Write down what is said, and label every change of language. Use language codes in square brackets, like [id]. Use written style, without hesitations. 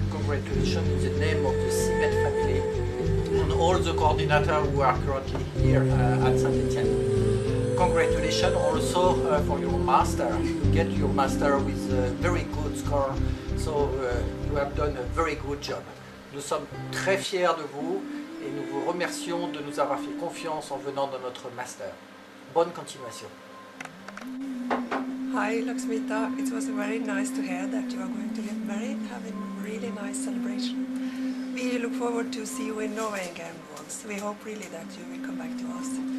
[en] congratulations in the name of the Simet family and all the coordinators who are currently here at Saint-Etienne. Congratulations also for your master. You get your master with a very good score, so you have done a very good job. [fr] Nous sommes très fiers de vous et nous vous remercions de nous avoir fait confiance en venant dans notre master. Bonne continuation. [en] Hi, Laksmita. It was very nice to hear that you are going to get married, having a really nice celebration. We look forward to see you in Norway again once. We hope really that you will come back to us.